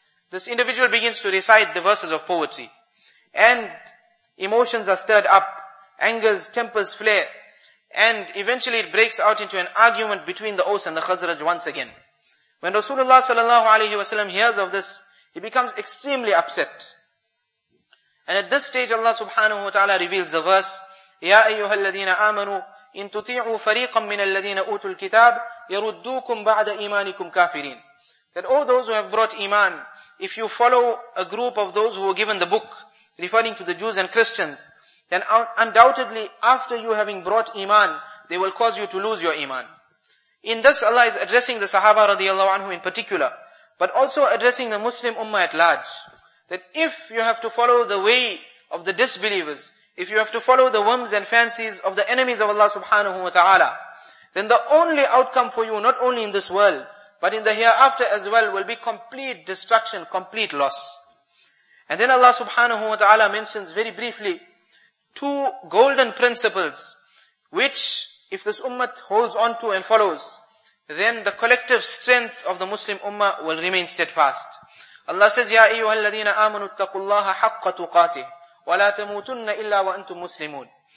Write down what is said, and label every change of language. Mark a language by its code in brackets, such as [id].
[en] This individual begins to recite the verses of poetry and emotions are stirred up, angers, tempers flare, and eventually it breaks out into an argument between the Aus and the Khazraj once again. When Rasulullah sallallahu alayhi wa sallam hears of this, he becomes extremely upset. And at this stage Allah subhanahu wa ta'ala reveals the verse, [ar] يَا أَيُّهَا الَّذِينَ آمَنُوا إِن تُطِيعُوا فَرِيقًا مِّنَ الَّذِينَ أُوتُوا الْكِتَابِ يَرُدُّوكُمْ بَعْدَ إِيمَانِكُمْ كَافِرِينَ. [en] That all those who have brought iman, if you follow a group of those who were given the book, referring to the Jews and Christians, then undoubtedly after you having brought iman, they will cause you to lose your iman. In this Allah is addressing the Sahaba radiallahu anhu in particular, but also addressing the Muslim ummah at large. That if you have to follow the way of the disbelievers, if you have to follow the whims and fancies of the enemies of Allah subhanahu wa ta'ala, then the only outcome for you, not only in this world, but in the hereafter as well, will be complete destruction, complete loss. And then Allah subhanahu wa ta'ala mentions very briefly two golden principles, which if this ummah holds on to and follows, then the collective strength of the Muslim ummah will remain steadfast. Allah says, [ar] يَا أَيُّهَا الَّذِينَ آمَنُوا اتَّقُوا اللَّهَ حَقَّ تُقَاتِهِ وَلَا تَمُوتُنَّ إِلَّا وَأَنْتُمْ مُسْلِمُونَ.